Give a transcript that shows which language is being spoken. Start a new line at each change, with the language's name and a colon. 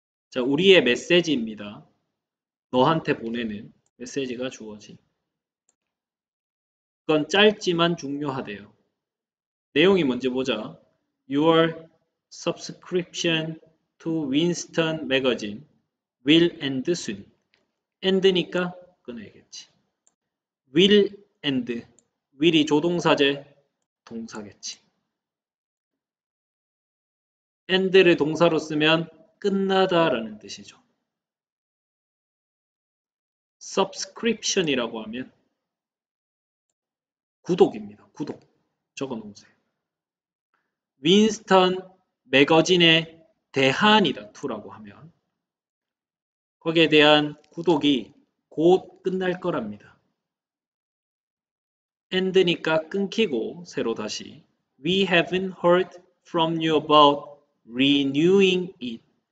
Korean: 자, 우리의 메시지입니다. 너한테 보내는 메시지가 주어지. 그건 짧지만 중요하대요. 내용이 뭔지 보자.
English: Your subscription to Winston Magazine will end soon.
Korean: end니까 끊어야겠지. will end. will이 조동사제, 동사겠지. end를 동사로 쓰면 끝나다라는 뜻이죠. subscription이라고 하면 구독입니다. 구독. 적어 놓으세요. 윈스턴 매거진에 대한이다. to라고 하면 거기에 대한 구독이 곧 끝날 거랍니다. 엔드니까 끊기고 새로 다시.
English: We haven't heard from you about renewing it.